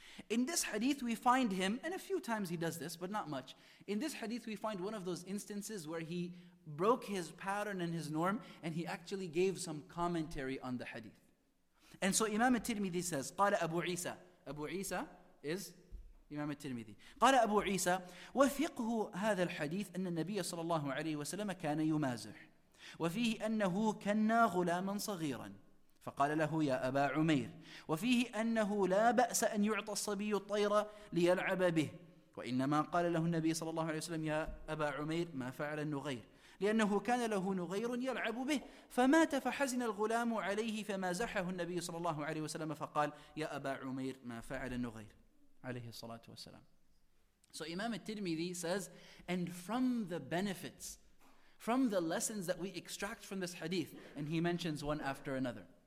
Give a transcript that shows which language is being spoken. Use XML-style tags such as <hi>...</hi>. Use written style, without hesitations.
<en>In this hadith, we find him, and a few times he does this, but not much. In this hadith, we find one of those instances where he broke his pattern and his norm, and he actually gave some commentary on the hadith. And so Imam At-Tirmidhi says,</en> <ar>قَالَ أَبُو عِيسَى.</ar> <en>أَبُو عِيسَى is Imam At-Tirmidhi.</en> <ar>قَالَ أَبُو عِيسَى وَفِقْهُ هَذَا الْحَدِيثِ أَنَّ النَّبِيَ صَلَى اللَّهُ عَلَيْهِ وَسَلَمَ كَانَ يُمَازِحُ وَفِيهِ أَنَّهُ كَنَّا غُلَامًا صَغِيرًا فقال له يا أبا عمير وفيه أنه لا بأس أن يعطى الصبي الطيرة ليلعب به وإنما قال له النبي صلى الله عليه وسلم يا أبا عمير ما فعل النغير لأنه كان له نغير يلعب به فمات فحزن الغلام عليه فمازحه النبي صلى الله عليه وسلم فقال يا أبا عمير ما فعل النغير عليه الصلاة والسلام.</ar> <en>So Imam At-Tirmidhi says, and from the benefits, from the lessons that we extract from this hadith, and he mentions one after another.</en>